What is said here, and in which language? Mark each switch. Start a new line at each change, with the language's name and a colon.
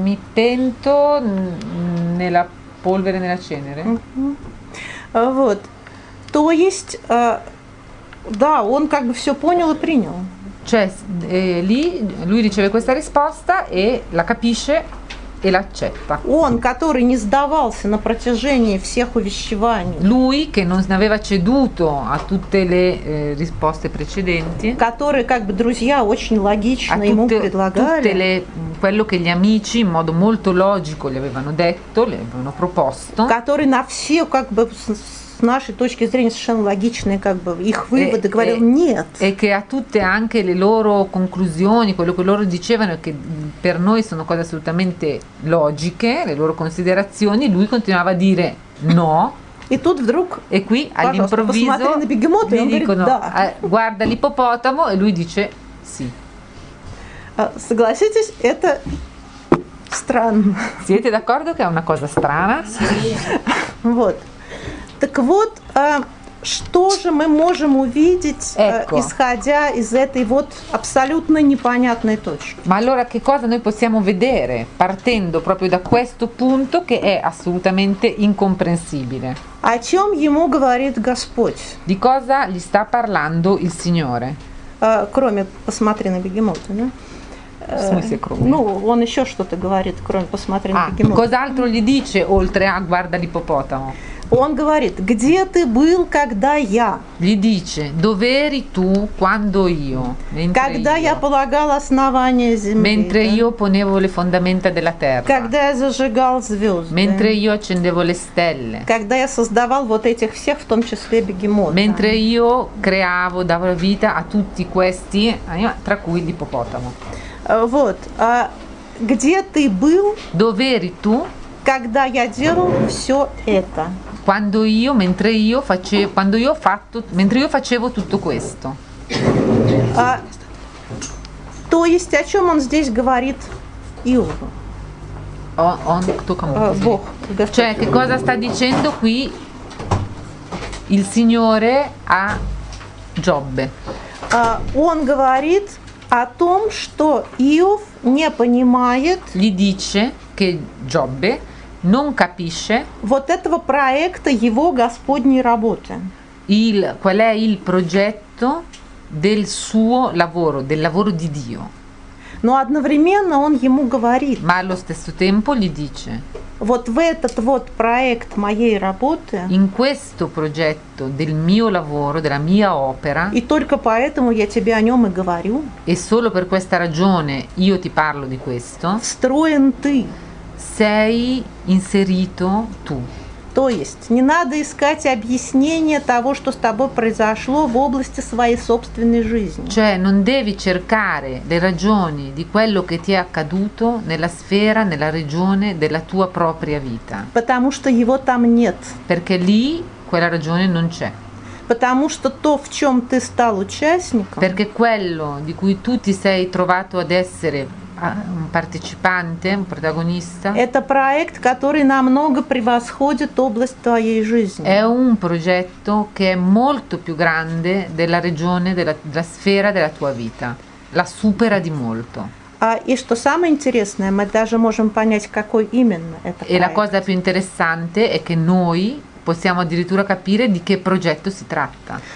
Italian: Mi pento nella polvere nella cenere.
Russian: Вот. То есть да, он как бы все понял и принял.
Italian: Cioè, lì lui riceve questa risposta e la capisce e l'accetta.
Russian: Он, который не сдавался на протяжении всех увещеваний.
Italian: Lui che non aveva ceduto a tutte le risposte precedenti.
Russian: Который как бы друзья очень логично ему предлагали.
Italian: Tutte le quello che gli amici in modo molto logico gli avevano detto, gli avevano proposto.
Russian: Который на все как бы с нашей точки зрения совершенно логичные как бы их выводы говорил нет.
Italian: E che a tutte anche le loro conclusioni, quello che loro dicevano che per noi sono cose assolutamente logiche, le loro considerazioni, lui continuava a dire no.
Russian: И тут вдруг,
Italian: e qui all'improvviso
Russian: на бегемота,
Italian: gli dicono
Russian: да.
Italian: Guarda l'ippopotamo e lui dice sì.
Russian: Согласитесь, это странно.
Italian: Siete d'accordo che è una cosa strana?
Russian: Вот. Так вот, что же мы можем увидеть,
Italian: ecco,
Russian: исходя из этой вот абсолютно непонятной точки?
Italian: Ma allora che cosa noi possiamo vedere partendo proprio da questo punto che è assolutamente incomprensibile?
Russian: О чем ему говорит Господь?
Italian: Di cosa gli sta parlando il Signore?
Russian: Кроме посмотри на бегемота, да? В смысле, кроме? Ну, он еще что-то говорит, кроме посмотри на бегемота.
Italian: А, cos'altro gli dice oltre a guarda l'ippopotamo?
Russian: Он говорит, где ты был, когда я?
Italian: Gli dice, dove eri tu, quando io?
Russian: Когда
Italian: io.
Russian: Я полагал основание земли.
Italian: Mentre да? Io ponevo le fondamenta della terra.
Russian: Когда я зажигал звезды.
Italian: Mentre io accendevo le stelle.
Russian: Когда я создавал вот этих всех, в том числе бегемота.
Italian: Mentre io creavo, davo vita a tutti questi, tra cui l'ippopotamo.
Russian: Вот, а где ты был?
Italian: Dove eri tu?
Russian: Когда я делал все это.
Italian: Quando io, mentre io facevo, quando io ho fatto, mentre io facevo tutto questo.
Russian: То есть о чем он здесь говорит Иову? Он кто кому? Бог.
Italian: Cioè, che cosa sta dicendo qui il Signore a Giobbe?
Russian: Он говорит о том, что Иов не понимает.
Italian: Gli dice. che Джобби non capisce
Russian: вот этого проекта его Господней работы.
Italian: Il qual è il progetto del suo lavoro, del lavoro di Dio.
Russian: Но одновременно он ему говорит.
Italian: Ma allo stesso tempo gli dice.
Russian: Вот в этот вот проект моей работы.
Italian: In questo progetto del mio lavoro, della mia opera.
Russian: И только поэтому я тебе о нем и говорю.
Italian: E solo per questa ragione io ti parlo di questo.
Russian: Встроен ты.
Italian: Sei inserito tu.
Russian: То есть не надо искать объяснение того, что с тобой произошло в области своей собственной жизни.
Italian: Cioè non devi cercare le ragioni di quello che ti è accaduto nella sfera, nella regione della tua propria vita.
Russian: Потому что его там нет.
Italian: Perché lì quella ragione non c'è.
Russian: Потому что то, в чем ты стал участником.
Italian: Perché quello di cui tu ti sei trovato ad essere un partecipante, un protagonista.
Russian: Это проект, который намного превосходит область твоей жизни.
Italian: È un progetto che è molto più grande della regione, della sfera della tua vita. La supera di molto.
Russian: И что самое интересное, мы даже можем понять, какой именно это проект.
Italian: E la cosa più interessante è che noi possiamo addirittura capire di che progetto si tratta.